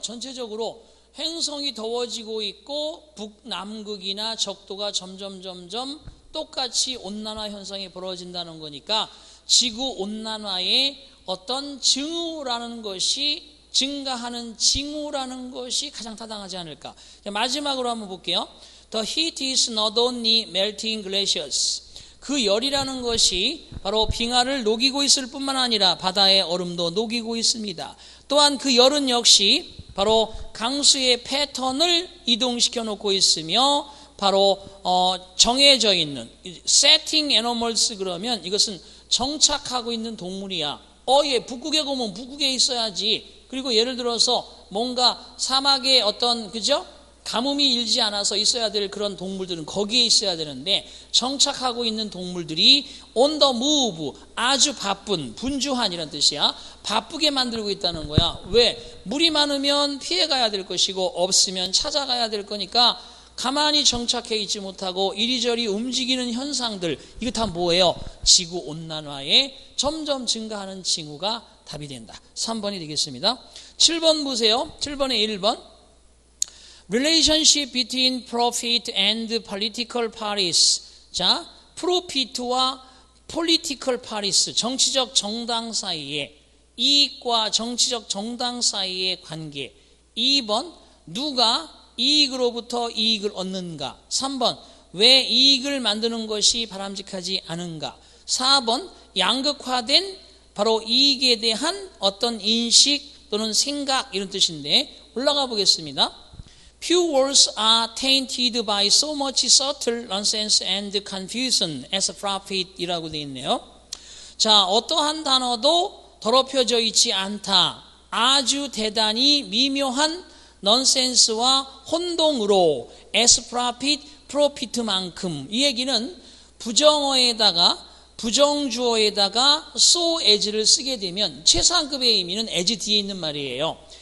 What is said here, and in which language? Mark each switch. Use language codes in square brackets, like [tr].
[ko] 전체적으로 행성이 더워지고 있고 북남극이나 적도가 점점 똑같이 온난화 현상이 벌어진다는 거니까 지구 온난화의 어떤 증후라는 것이 증가하는 징후라는 것이 가장 타당하지 않을까. 마지막으로 한번 볼게요. [en] The heat is not only melting glaciers. [ko] 그 열이라는 것이 바로 빙하를 녹이고 있을 뿐만 아니라 바다의 얼음도 녹이고 있습니다. 또한 그 열은 역시 바로 강수의 패턴을 이동시켜 놓고 있으며 바로 정해져 있는 setting animals 그러면 이것은 정착하고 있는 동물이야. 북극의 곰은 북극에 있어야지 그리고 예를 들어서 뭔가 사막에 어떤 그죠? 가뭄이 일지 않아서 있어야 될 그런 동물들은 거기에 있어야 되는데 정착하고 있는 동물들이 [en] on the move, [ko] 아주 바쁜, 분주한 이런 뜻이야. 바쁘게 만들고 있다는 거야. 왜? 물이 많으면 피해가야 될 것이고 없으면 찾아가야 될 거니까 가만히 정착해 있지 못하고 이리저리 움직이는 현상들, 이거 다 뭐예요? 지구 온난화에 점점 증가하는 징후가 답이 된다. 3번이 되겠습니다. 7번 보세요. 7번에 1번. [en] Relationship between profit and political parties. [ko] 자, profit와 political parties, 정치적 정당 사이에, 이익과 정치적 정당 사이의 관계. 2번, 누가 이익으로부터 이익을 얻는가. 3번, 왜 이익을 만드는 것이 바람직하지 않은가. 4번, 양극화된 바로 이익에 대한 어떤 인식 또는 생각 이런 뜻인데 올라가 보겠습니다. [en] Few words are tainted by so much subtle nonsense and confusion as profit [ko] 이라고 되어 있네요. 자, 어떠한 단어도 더럽혀져 있지 않다. 아주 대단히 미묘한 nonsense와 혼동으로 as profit, profit만큼. 이 얘기는 부정어에다가 부정주어에다가 so as를 쓰게 되면 최상급의 의미는 as 뒤에 있는 말이에요.